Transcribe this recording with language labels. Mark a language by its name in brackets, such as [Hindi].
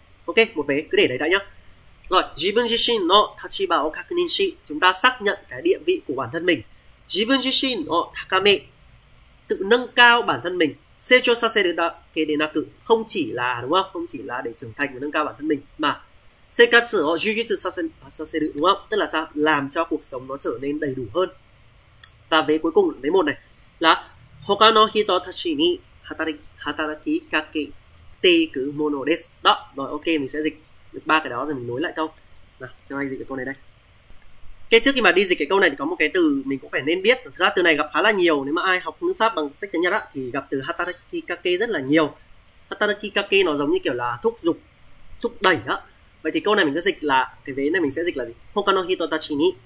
[Vietnamese] Ok, một vế cứ để đấy đã nhá. Rồi, [Japanese] 自分自身の立場を確認し、 [Vietnamese] chúng ta xác nhận cái địa vị của bản thân mình. [Japanese] 自分自身の高め, [Vietnamese] tự nâng cao bản thân mình. [Japanese] 成長させるだけでなく, [Vietnamese] không chỉ là đúng không? Không chỉ là để trưởng thành và nâng cao bản thân mình mà [Japanese] 生活を充実させる [Vietnamese] đúng không? Tức là sao? Làm cho cuộc sống nó trở nên đầy đủ hơn. Và vế cuối cùng, vế một này là [Japanese] 他の人たちに働きかけていくものです. [Vietnamese] Đó, rồi ok, mình sẽ dịch được ba cái đó rồi mình nối lại câu. Nào, xem anh dịch cái câu này đây. Cái trước khi mà đi dịch cái câu này thì có một cái từ mình cũng phải nên biết. Thực ra từ này gặp khá là nhiều, nếu mà ai học ngữ pháp bằng sách tiếng Nhật á thì gặp từ hatarakikake rất là nhiều. Hatarakikake nó giống như kiểu là thúc giục, thúc đẩy á. Vậy thì câu này mình sẽ dịch là cái vế này mình sẽ dịch là gì? [Japanese] Hokano hito tachi ni